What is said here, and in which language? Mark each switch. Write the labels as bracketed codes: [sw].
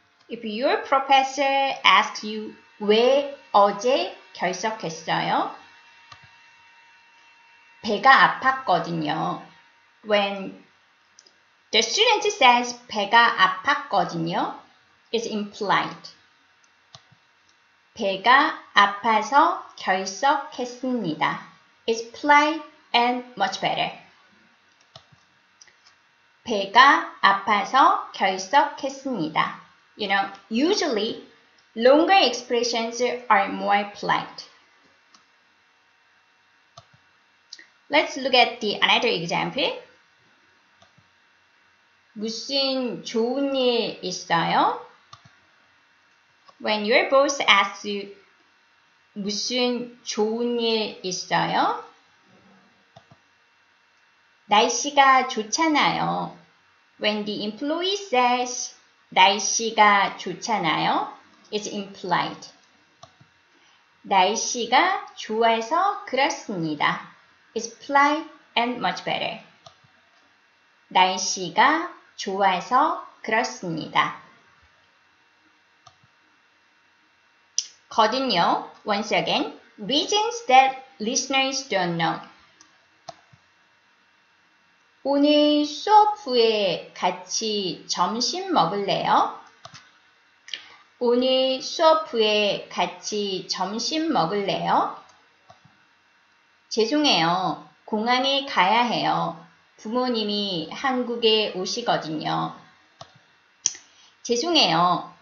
[en] If your professor asks you, [ko] 왜 어제 결석했어요? 배가 아팠거든요. [en] When the student says, [ko] 배가 아팠거든요, [en] it's implied. [ko] 배가 아파서 결석했습니다. [en] It's polite and much better. [ko] 배가 아파서 결석했습니다. [en] You know, usually, longer expressions are more polite. Let's look at the another example. [ko] 무슨 좋은 일 있어요? [en] When your boss asks you, [ko] 무슨 좋은 일 있어요? 날씨가 좋잖아요. [en] When the employee says, [ko] 날씨가 좋잖아요, [en] it's implied. [ko] 날씨가 좋아서 그렇습니다. [en] It's polite and much better. [ko] 날씨가 좋아서 그렇습니다. [en] 거든요, once again, reasons that listeners don't know. [ko] 오늘 수업 후에 같이 점심 먹을래요? 오늘 수업 후에 같이 점심 먹을래요? 죄송해요. 공항에 가야 해요. 부모님이 한국에 오시거든요. 죄송해요.